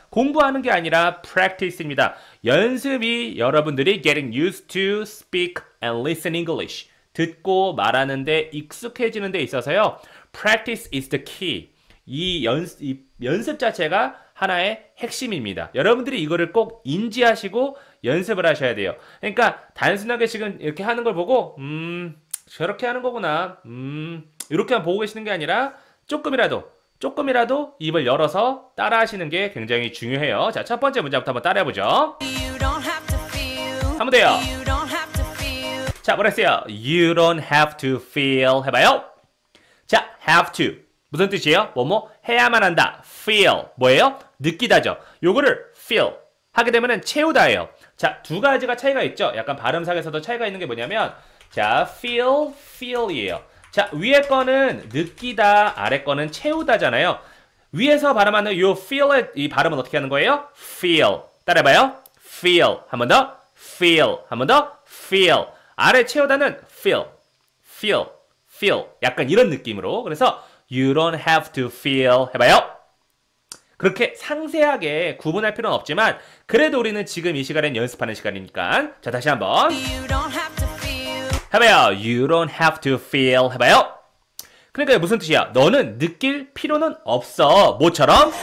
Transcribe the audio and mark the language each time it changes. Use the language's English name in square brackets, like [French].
[Korean] 공부하는 게 아니라 practice입니다. 연습이 여러분들이 [English] getting used to speak and listen English. [Korean] 듣고 말하는 데 익숙해지는 데 있어서요. [English] Practice is the key. [Korean] 이 연습 자체가 하나의 핵심입니다. 여러분들이 이거를 꼭 인지하시고 연습을 하셔야 돼요. 그러니까 단순하게 지금 이렇게 하는 걸 보고 저렇게 하는 거구나. 이렇게만 보고 계시는 게 아니라 조금이라도 입을 열어서 따라 하시는 게 굉장히 중요해요. 자, 첫 번째 문장부터 한번 따라해 보죠. [English] You don't have to feel. [Korean] 한번 돼요. [English] You don't have to feel. [Korean] 자, 뭐랬어요? [English] You don't have to feel 해봐요. [Korean] 자, have to 무슨 뜻이에요? 뭐뭐 해야만 한다. feel 뭐예요? 느끼다죠. 요거를 feel 하게 되면은 채우다예요. 자, 두 가지가 차이가 있죠. 약간 발음상에서도 차이가 있는 게 뭐냐면, 자, feel이에요. 자, 위에 거는 느끼다, 아래 거는 채우다잖아요. 위에서 발음하는 요 feel의 이 발음은 어떻게 하는 거예요? feel. 따라해봐요. feel. 한번 더. feel. 한번 더. feel. 아래 채우다는 feel. feel. feel. 약간 이런 느낌으로. [English] 그래서 you don't have to feel. [Korean] 해봐요. 그렇게 상세하게 구분할 필요는 없지만, 그래도 우리는 지금 이 시간엔 연습하는 시간이니까. 자, 다시 한번. [English] You don't have to feel. [Korean] 해봐요. [English] You don't have to feel. [Korean] 해봐요. 그러니까 무슨 뜻이야? 너는 느낄 필요는 없어. 뭐처럼?